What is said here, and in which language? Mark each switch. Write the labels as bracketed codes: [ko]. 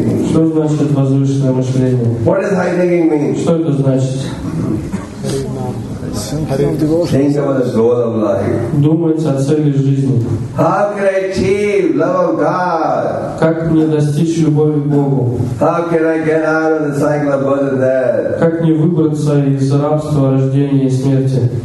[ru] Что значит возвышенное мышление? [en] What does high thinking mean? [ru] Что это значит? [en] Think about the goal of life. [ru] Думать о цели жизни. [en] How can I achieve love of God? [ru] Как мне достичь любовь к Богу? [en] How can I get out of the cycle of birth and death? [ru] Как мне выбраться из рабства рождения и смерти?